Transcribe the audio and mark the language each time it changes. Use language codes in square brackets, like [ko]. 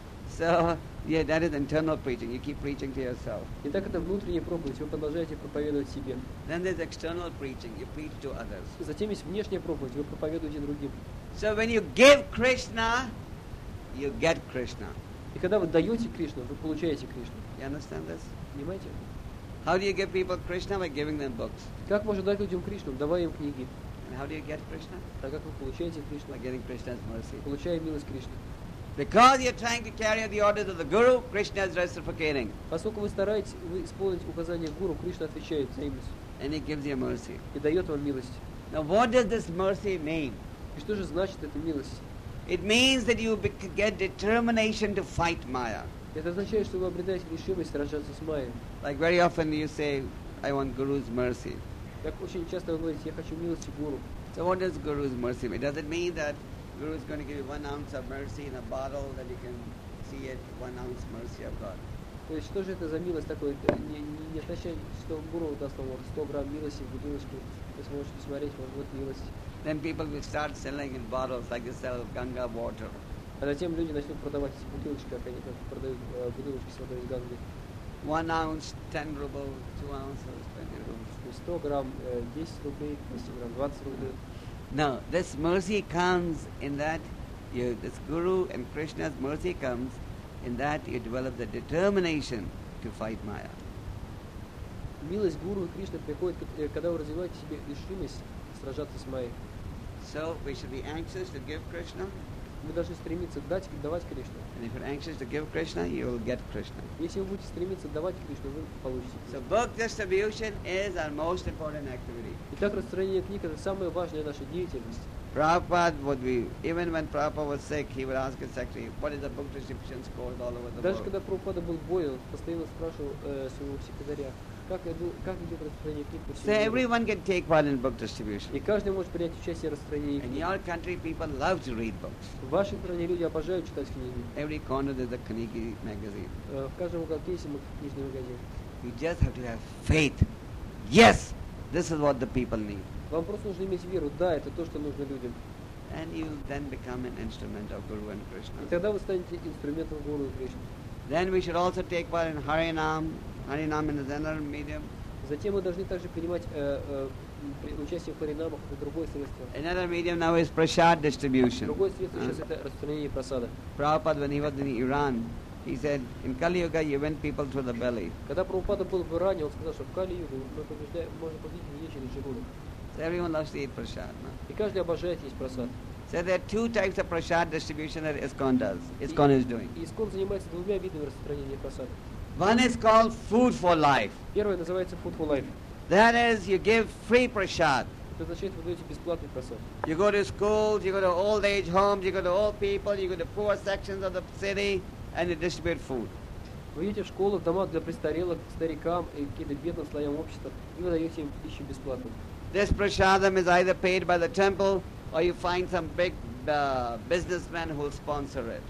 [en] So, yeah, that is internal preaching. You keep preaching to yourself. [ru] Итак, это внутренняя проповедь. Вы продолжаете проповедовать себе. [en] Then there's external preaching. You preach to others. [ru] Затем есть внешняя проповедь. Вы проповедуете другим. [en] So when you give Krishna, you get Krishna. [ru] И когда вы даете Кришну, вы получаете Кришну. [en] You understand this? [ru] Понимаете? [en] How do you give people Krishna by giving them books? [ru] Как можно дать людям Кришну, давая им книги? [en] And how do you get Krishna? [ru] Так как вы получаете Кришну? [en] By getting Krishna's mercy. [ru] Получая милость Кришны. [en] Because you're trying to carry out the orders of the Guru, Krishna is reciprocating. [ru] Поскольку вы стараетесь исполнить указания Гуру, Кришна отвечает взаимностью. [en] And he gives you mercy. [ru] И дает вам милость. [en] Now, what does this mercy mean? [ru] И что же значит эта милость? [en] It means that you get determination to fight Maya. [ru] Это означает, что вы обретаете решимость сражаться с Майей. [en] Like very often you say, I want Guru's mercy. [ru] Так очень часто вы говорите, я хочу милости Гуру. [en] So what does Guru's mercy mean? Does it mean that Guru is going to give you 1 ounce of mercy in a bottle that you can see it, 1 ounce mercy of God. [ru] То есть что же это за милость такое? Не означает, что Гуру даст вам 100 грамм милости в бутылочку, вы сможете смотреть, вот будет милость. [en] Then people will start selling in bottles like they sell Ganga water. [ru] А затем люди начнут продавать эти бутылочки, как они продают бутылочки с водой из Ганги. [en] 1 ounce, 10 rubles, 2 ounces, 20 rubles. [ru] 100 грамм, 10 рублей, 100 грамм, 20 рублей. [en] No, this mercy comes in that you, this Guru and Krishna's mercy comes in that you develop the determination to fight Maya. [ru] Милость Гуру и Кришны приходит, когда вы развиваете себе решимость сражаться с Майей. [en] So we should be anxious to give Krishna. [ru] Мы должны стремиться дать, давать Кришну. [en] And if you're anxious to give Krishna, you will get Krishna. [ru] Если вы будете стремиться давать Кришну, вы получите Кришну. [en] So book distribution is our most important activity. [ru] Итак, распространение книг — это самая важная наша деятельность. [en] Prabhupada would be, even when Prabhupada was sick, he would ask his secretary, what is the book distribution called all over the [ru] даже Когда Прабхупада был болен, постоянно спрашивал своего секретаря, как идет распространение книг по всему. [en] So everyone can take part in book distribution. [ru] И каждый может принять участие в распространении книг. [en] In your country, people love to read books. [ru] В вашей стране люди обожают читать книги. [en] Every corner there's a книги magazine. [ru] В каждом уголке есть книжный магазин. [en] You just have to have faith. Yes, this is what the people need. [ru] Вам просто нужно иметь веру. Да, это то, что нужно людям. [en] And you then become an instrument of Guru and Krishna. [ru] И тогда вы станете инструментом Гуру и Кришны. [en] Then we should also take part in Harinam. Harinam is another medium. [ru] Затем мы должны также принимать участие в Харинамах, это другое средство. [en] Another medium now is prasad distribution. [ru] Другое средство сейчас это распространение прасада. [en] Prabhupada, when he was in Iran, he said, in Kali Yuga, you win people through the belly. [ru] Когда Прабхупада был в Иране, он сказал, что в Кали Югу мы побеждаем, можно победить людей через желудок. [en] Everyone loves to eat prasad. No? [ru] И каждый обожает есть прасад. [en] So there are two types of prasad distribution that ISKCON does. ISKCON is doing. [ru] ISKCON занимается двумя видами распространения прасада. [en] One is called food for life. [ru] Первое называется food for life. [en] That is, you give free prasad. [ru] Это означает, вы даете бесплатный прасад. [en] You go to schools, you go to old age homes, you go to old people, you go to poor sections of the city, and you distribute food. [ru] Вы идете в школы, в дома для престарелых, старикам и каким-то бедным слоям общества, и вы даете им пищу бесплатно. [en] This prasadam is either paid by the temple or you find some big businessman who will sponsor it.